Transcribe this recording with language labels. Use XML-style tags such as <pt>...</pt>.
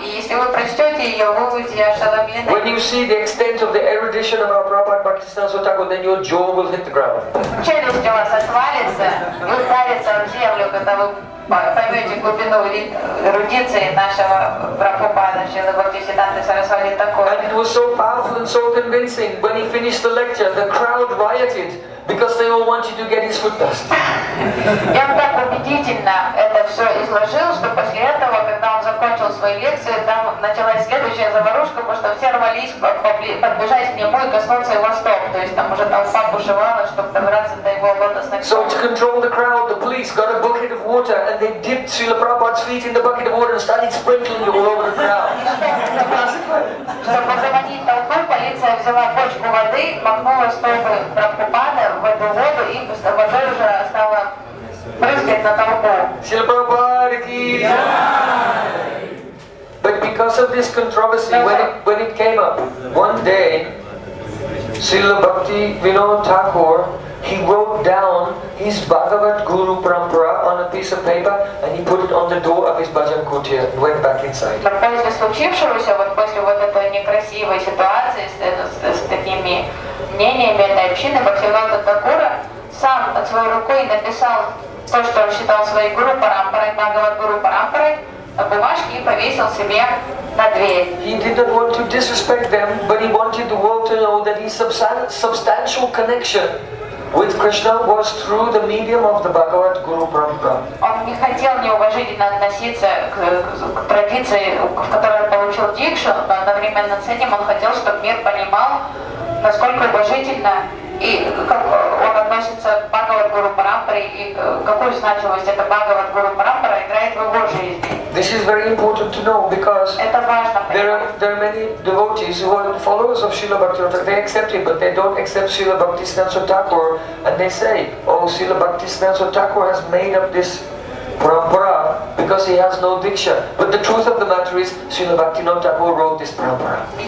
<ru>И если вы прочтете ее, вы будете ошеломлены.</ru> <en>When you see the extent of the erudition of our Prabhupada Bhaktisiddhanta Swami Thakur, then your jaw will hit the ground.</en> <ru>Челюсть у вас отвалится, вы ударится в землю, когда вы поймете глубину эрудиции нашего Прабхупада, Шрилы Бхактисиддханты Сарасвати Такура.</ru> <en>And it was so powerful and so convincing. When he finished the lecture, the crowd rioted. Because they all wanted to get his foot dust.</en> <ru>Я так убедительно это все изложил, что после этого, когда он закончил свою лекцию, там началась следующая заварушка, потому что все рвались подбежать к нему и коснуться его стоп. То есть там уже толпа бушевала, чтобы добраться до его лотосных.</ru> <en>So to control the crowd, the police got a bucket of water and they dipped Srila Prabhupada's feet in the bucket of water and started sprinkling it all over the crowd.</en> <ru>Чтобы заманить толпу, полиция взяла бочку воды, махнула стопы Прабхупады в эту воду и вода уже стала прыскать на толпу.</ru> <hi>Шрила Прабхупада ки джай!</hi> <en>But because of this controversy, when it came up, one day, Srila Bhaktivinoda Thakur, he wrote down his Bhagavad Guru Parampara on a piece of paper and he put it on the door of his bhajan kutya and went back inside.</en> <ru>После случившегося, вот после вот этой некрасивой ситуации с такими мнениями этой общины, Бхактивинода Такура сам под своей рукой написал то, что он считал своей гуру парампарой, Бхагават гуру парампарой, на бумажке и повесил себе.</ru> <en>He did not want to disrespect them, but he wanted the world to know that his substantial connection with Krishna was through the medium of the Bhagavad Guru Parampara.</en> <ru>Он не хотел неуважительно относиться к традиции, в которой получил дикшу, но одновременно с этим он хотел, чтобы мир понимал, насколько уважительно и как он относится к Бхагавад Гуру Парампаре и какую значимость эта Бхагавад Гуру Парампара играет в его жизни.</ru> <en>This is very important to know because there are many devotees who are followers of Srila Bhaktivinoda. They accept him, but they don't accept Srila Bhaktivinoda Thakur. And they say, oh, Srila Bhaktivinoda Thakur has made up this parampara because he has no diksha. But the truth of the matter is, Srila Bhaktivinoda Thakur wrote this parampara.</en>